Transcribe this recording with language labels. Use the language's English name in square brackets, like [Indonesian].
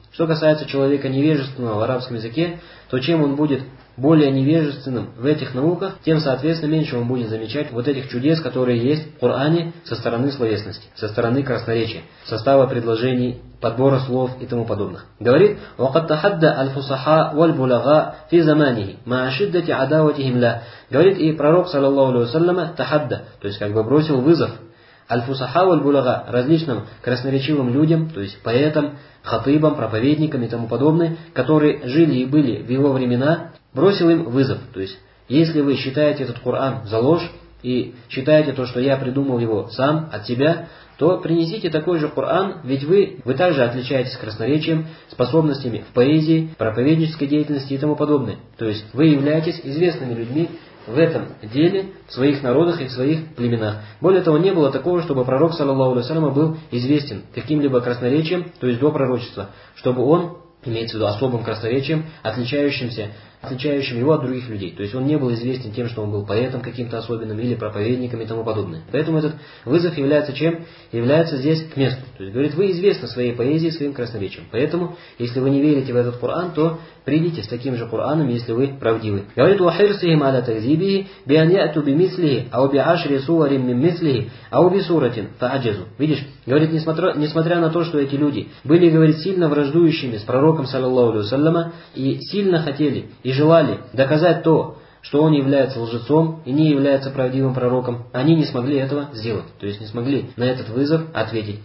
[Russian] Что касается человека невежественного в арабском языке, то чем он будет более невежественным в этих науках, тем, соответственно, меньше он будет замечать вот этих чудес, которые есть в Коране со стороны словесности, со стороны красноречия, состава предложений, подбора слов и тому подобных. Говорит, [Arabic] وَقَدْ تَحَدَّ الْفُصَحَاء وَالْبُلَغَاء فِي زَمَانِهِ مَا شِدَّةِ عَدَاوَتِهِمْ لَا. [Russian] Говорит, и пророк, саллиллаху алейхи ва саллям, тахадда, то есть как бы бросил вызов аль-фусаха валь-булага различным красноречивым людям, то есть поэтам, хатыбам, проповедникам и тому подобное, которые жили и были в его времена, бросил им вызов. То есть, если вы считаете этот Коран за ложь и считаете то, что я придумал его сам от себя, то принесите такой же Коран, ведь вы также отличаетесь красноречием, способностями в поэзии, проповеднической деятельности и тому подобное. То есть, вы являетесь известными людьми в этом деле, в своих народах и в своих племенах. Более того, не было такого, чтобы пророк, саллиллаху алейхи ва саллям, был известен каким-либо красноречием, то есть до пророчества, чтобы он, имеется в виду особым красноречием, отличающим его от других людей. То есть он не был известен тем, что он был поэтом каким-то особенным или проповедником и тому подобное. Поэтому этот вызов является чем? Является здесь к месту. То есть говорит, вы известны своей поэзией, своим красноречием. Поэтому, если вы не верите в этот Коран, то придите с таким же Кораном, если вы правдивы. Говорит, [Arabic] وَحِرْسِهِمْ عَلَى تَكْذِيبِهِ بِأَنْ يَأْتُوا بِمِثْلِهِ أَوْ بِعَشْرِ سُوَرٍ مِنْ مِثْلِهِ أَوْ بِسُورَةٍ فَعَجَزُوا. [Russian] Видишь, говорит, несмотря на то, что эти люди были, говорит, сильно враждующими с пророком, саллиллаху алейхи ва саллям, и сильно хотели и желали доказать то, что он является лжецом и не является правдивым пророком, они не смогли этого сделать, то есть не смогли на этот вызов ответить.